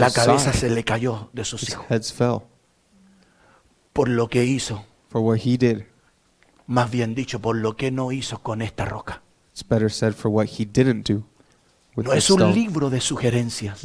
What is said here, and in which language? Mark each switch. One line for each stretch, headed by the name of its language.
Spanish: la cabeza se le cayó de sus
English: his
Spanish: hijos.
English: Heads fell.
Spanish: Por lo que hizo.
English: For what he did.
Spanish: Más bien dicho, por lo que no hizo con esta roca.
English: It's better said for what he didn't do.
Spanish: No es un libro de sugerencias.